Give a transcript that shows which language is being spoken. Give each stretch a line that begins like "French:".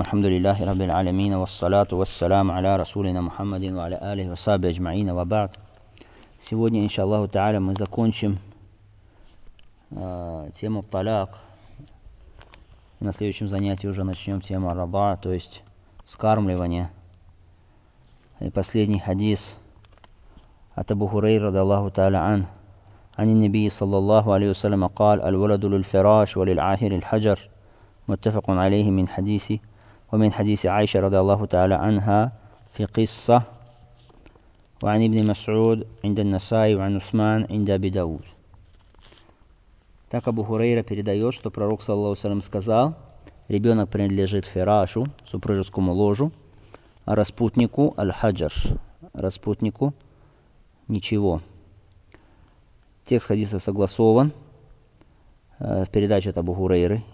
Arabic: الحمد لله رب العالمين، والصلاة والسلام على رسولنا محمد وعلى آله وصحبه أجمعين، وبعد.
Russian: Сегодня, иншаллах тааля, мы закончим тему талак. На следующем занятии уже начнем тему арраба, то есть вскармливание. И последний хадис от Абу Хурейра
Arabic: радиаллаху тааля ан. عن النبي صلى الله عليه وسلم قال الولد للفراش وللعاهر الحجر متفق عليه من حديث ومن حديث عائشة رضي الله تعالى عنها في قصة وعن ابن مسعود عند النسائي وعن عثمان عند أبي داود.
Russian: Так Абу Хурейра передает, что пророк
Arabic: صلى الله عليه وسلم
Russian: сказал: ребенок принадлежит фирашу, супружескому ложу, а распутнику аль-хаджар, распутнику ничего. Текст хадиса согласован в передаче от Абу Хурейры.